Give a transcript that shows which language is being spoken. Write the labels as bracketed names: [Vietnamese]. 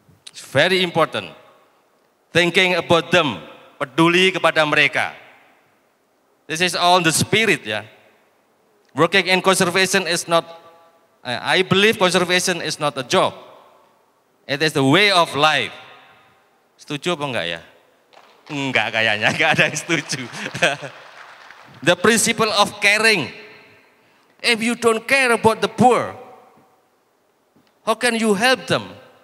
[English] It's very important thinking about them, [Indonesian] peduli kepada mereka. [English] This is all the spirit, yeah. Working in conservation is not, I believe conservation is not a job. It is the way of life. [Indonesian] Setuju apa enggak ya? Enggak kayaknya, enggak ada yang setuju. [English] The principle of caring. If you don't care about the poor, how can you help them?